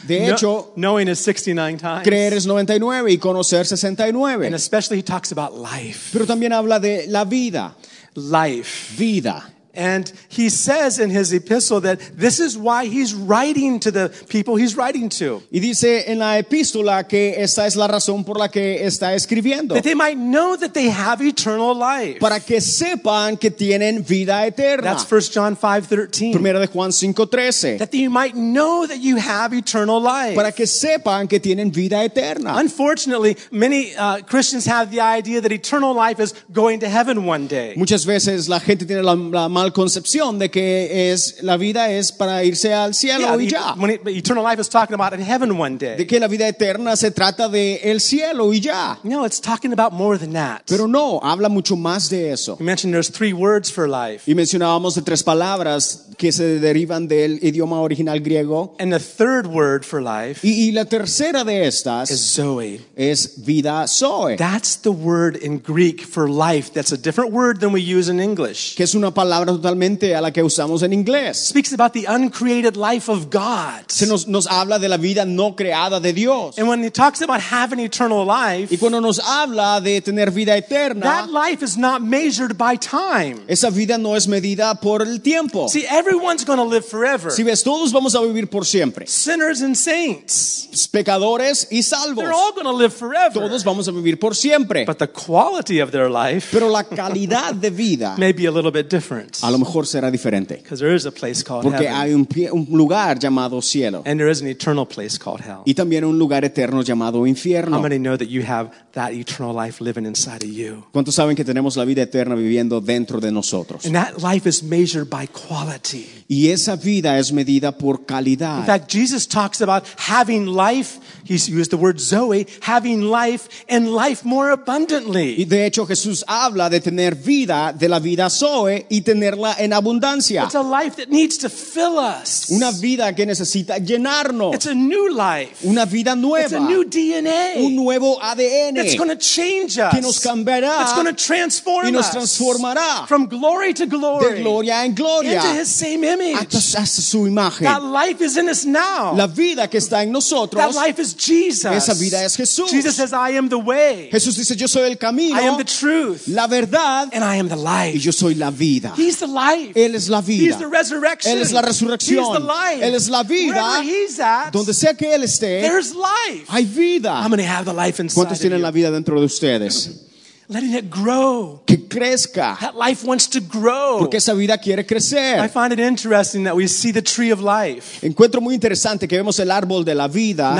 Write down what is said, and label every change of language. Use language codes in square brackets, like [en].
[es] De hecho, [en] knowing is 69 times. [es] Creer es 99 y conocer 69. [en] And especially he talks about life. [es] Pero también habla de la vida. [en] Life. [es] Vida. [en] And he says in his epistle that this is why he's writing to the people he's writing to. [es] Y dice en la epístola que esta es la razón por la que está escribiendo. [en] That they might know that they have eternal life. [es] Para que sepan que tienen vida eterna. [en] That's 1 John 5:13. [es] Primera de Juan 5:13. [en] That they might know that you have eternal life. [es] Para que sepan que tienen vida eterna. [en] Unfortunately, many Christians have the idea that eternal life is going to heaven one day. [es] Muchas veces la gente tiene la mal concepción de que es la vida es para irse al cielo [en] yeah, [es] y ya. [en] When eternal life is talking about in heaven one day. [es] De que la vida eterna se trata de el cielo y ya. [en] No, it's talking about more than that. [es] Pero no, habla mucho más de eso. [en] You mentioned there's three words for life. [es] Y mencionábamos de tres palabras que se derivan del idioma original griego. [en] And the third word for life. [es] Y la tercera de estas [en] is Zoe. [es] Es vida Zoe. [en] That's the word in Greek for life. That's a different word than we use in English. [es] Que es una palabra totalmente a la que usamos en inglés. [en] Speaks about the uncreated life of God. [es] Se nos habla de la vida no creada de Dios. [en] And when he talks about having eternal life, [es] y cuando nos habla de tener vida eterna, [en] that life is not measured by time. [es] Esa vida no es medida por el tiempo. [en] See, everyone's going to live forever. [es] Si ves, todos vamos a vivir por siempre. [en] Sinners and saints. [es] Pecadores y salvos. [en] They're all going to live forever. [es] Todos vamos a vivir por siempre. [en] But the quality of their life, [es] pero la calidad de vida, [en] may be a little bit different. [es] A lo mejor será diferente. [en] Because there is a place called [es] porque [en] heaven. [es] Hay un lugar llamado cielo. [en] And there is an eternal place called hell. [es] Y también un lugar eterno llamado infierno. [en] How many know that you have that eternal life living inside of you? [es] ¿Cuántos saben que tenemos la vida eterna viviendo dentro de nosotros? [en] And that life is measured by quality. [es] Y esa vida es medida por calidad. [en] In fact, Jesus talks about having life. He used the word Zoe, having life and life more abundantly. [es] Y de hecho, Jesús habla de tener vida, de la vida Zoe, y tenerla en abundancia. [en] It's a life that needs to fill us. [es] Una vida que necesita llenarnos. [en] It's a new life. [es] Una vida nueva. [en] It's a new DNA. [es] Un nuevo ADN. [en] It's going to change us. [es] Que nos cambiará. [en] It's going to transform [es] us. Y nos transformará. [en] From glory to glory. [es] De gloria en gloria. [en] Into his same image. [es] Hasta su imagen. [en] That life is in us now. [es] La vida que está en nosotros. [en] That life is Jesus. [es] Esa vida es Jesús. [en] Jesus says, I am the way. [es] Jesús dice, yo soy el camino. [en] I am the truth. [es] La verdad. [en] And I am the life. [es] Y yo soy la vida. [en] He's the life. [es] Él es la vida. [en] He's the resurrection. [es] Él es la resurrección. [en] He's the life. [es] Él es la vida. [en] Wherever he's at, [es] donde sea que él esté, [en] there's life. [es] Hay vida. [en] I'm going to have the life inside. [es] ¿Cuántos tienen [en] of you? [es] La vida dentro de ustedes? [en] Letting it grow. [es] Que crezca. [en] That life wants to grow. [es] Porque esa vida quiere crecer. [en] I find it interesting that we see the tree of life. [es] Encuentro muy interesante que vemos el árbol de la vida.